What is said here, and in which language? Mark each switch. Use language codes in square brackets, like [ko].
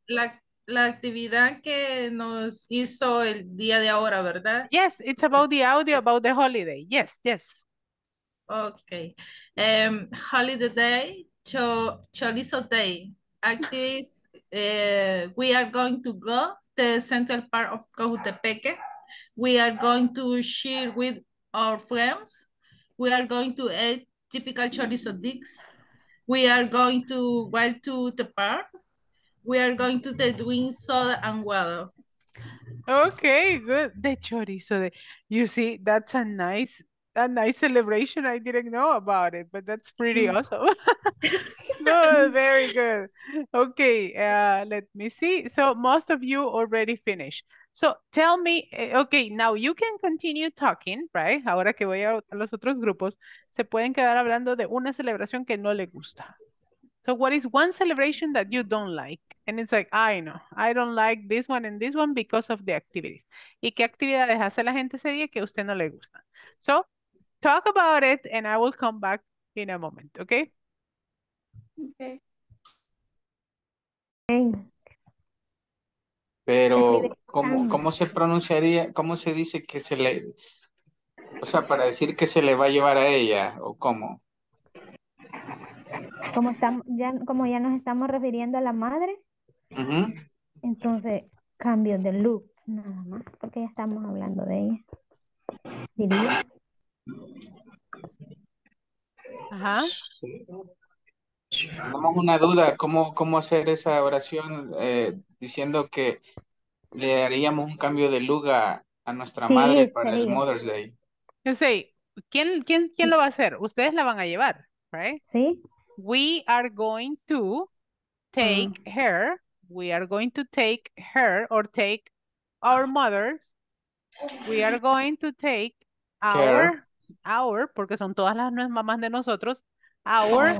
[es] La actividad que nos hizo el día de ahora, ¿verdad? [en] Yes, it's about the audio, about the holiday. Yes, yes. Okay. Holiday day, chorizo day. Activities, we are going to go to the central part of Cojutepeque. We are going to share with our friends. We are going to eat typical chorizo dicks. We are going to go to the park. We are going to the drink soda and water. Okay, good. The chorizo day. You see, that's a nice celebration. I didn't know about it, but that's pretty awesome. No, very good. Okay, let me see. So most of you already finished. So tell me, okay, now you can continue talking, right? [es] Ahora que voy a los otros grupos, se pueden quedar hablando de una celebración que no le gusta. [en] So what is one celebration that you don't like? And it's like, I know, I don't like this one and this one because of the activities. [es] ¿Y qué actividades hace la gente ese día que usted no le gusta? [en] So talk about it and I will come back in a moment, okay? Okay. Okay. [es] Pero ¿cómo se pronunciaría, cómo se dice que se le, o sea, para decir que se le va a llevar a ella o cómo? Como ya nos estamos refiriendo a la madre, uh-huh. Entonces cambio de look nada más, porque ya estamos hablando de ella. ¿Diría? Ajá. Tenemos una duda, ¿cómo hacer esa oración diciendo que le haríamos un cambio de lugar a nuestra madre para el Mother's Day? Yo sé, ¿quién lo va a hacer? Ustedes la van a llevar, right? Sí. [en] We are going to take her, we are going to take her or take our mothers, we are going to take our, [es] porque son todas las mamás de nosotros, [en] our...